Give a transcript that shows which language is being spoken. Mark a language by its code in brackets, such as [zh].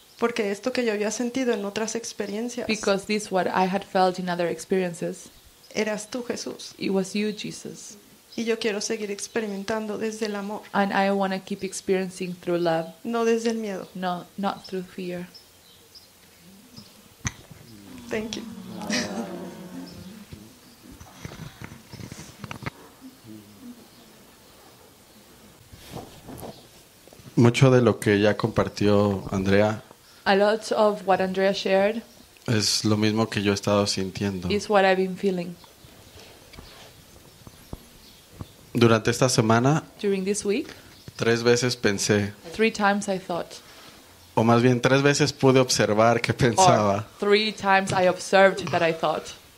[es] Porque esto que yo había sentido en otras experiencias. [en] Because this what I had felt in other experiences. [es] Eras tú, Jesús. [en] It was you, Jesus. [es] Y yo quiero seguir experimentando desde el amor. [en] And I want to keep experiencing through love. [es] No desde el miedo. [en] No, not through fear. Thank you. [es] Mucho de lo que ya compartió Andrea. [en] A lot of what Andrea shared. [es] Es lo mismo que yo he estado sintiendo. [en] Is what I've been feeling. [es] Durante esta semana, [en] during this week, [es] tres veces pensé. [en] Three times I thought. [es] O más bien tres veces pude observar qué pensaba. [en] Or three times I observed that I thought.